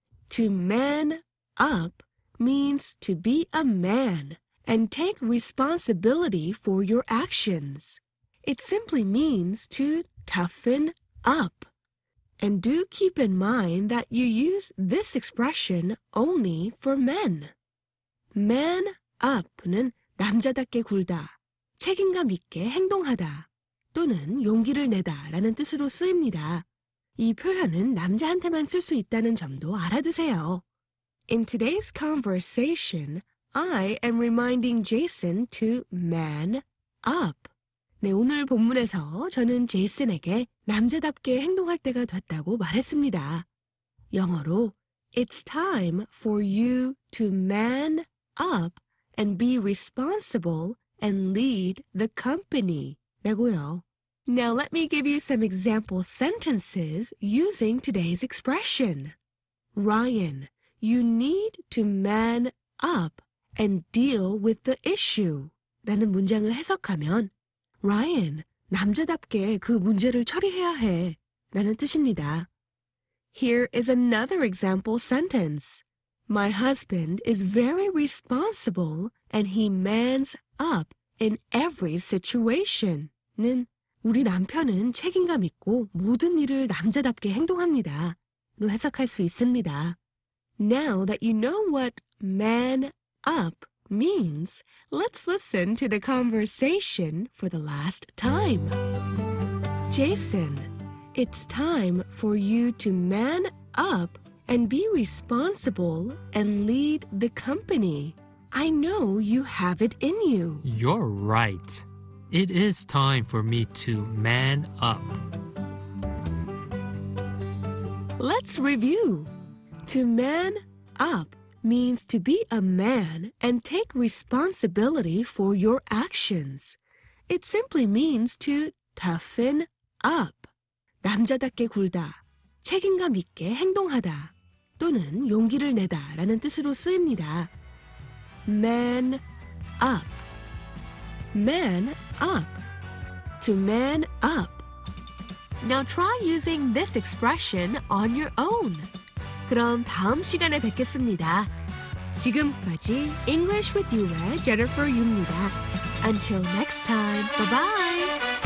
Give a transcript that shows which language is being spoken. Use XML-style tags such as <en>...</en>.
<en>To man up means to be a man and take responsibility for your actions. It simply means to toughen up. And do keep in mind that you use this expression only for men.</en> <ko>Man up는 남자답게 굴다, 책임감 있게 행동하다, 또는 용기를 내다 라는 뜻으로 쓰입니다. 이 표현은 남자한테만 쓸 수 있다는 점도 알아두세요.</ko> <en>In today's conversation, I am reminding Jason to man up.</en> <ko>네, 오늘 본문에서 저는 제이슨에게 남자답게 행동할 때가 됐다고 말했습니다. 영어로</ko> <en>It's time for you to man up and be responsible and lead the company.</en> <ko>라고요.</ko> <en>Now let me give you some example sentences using today's expression. Ryan, you need to man up and deal with the issue.</en> <ko>라는 문장을 해석하면 Ryan, 남자답게 그 문제를 처리해야 해 라는 뜻입니다.</ko> <en>Here is another example sentence. My husband is very responsible and he mans up in every situation.</en> <ko>는 우리 남편은 책임감 있고 모든 일을 남자답게 행동합니다. 로 해석할 수 있습니다.</ko> <en>Now that you know what man up means, let's listen to the conversation for the last time. Jason, it's time for you to man up and be responsible and lead the company. I know you have it in you. You're right. It is time for me to man up. Let's review. To man up means to be a man and take responsibility for your actions. It simply means to toughen up.</en> <ko>남자답게 굴다, 책임감 있게 행동하다, 또는 용기를 내다 라는 뜻으로 쓰입니다.</ko> <en>Man up. Man up. To man up. Now try using this expression on your own.</en> <ko>그럼 다음 시간에 뵙겠습니다. 지금까지 English with You의 Jennifer Yu입니다.</ko> <en>Until next time, bye-bye!</en>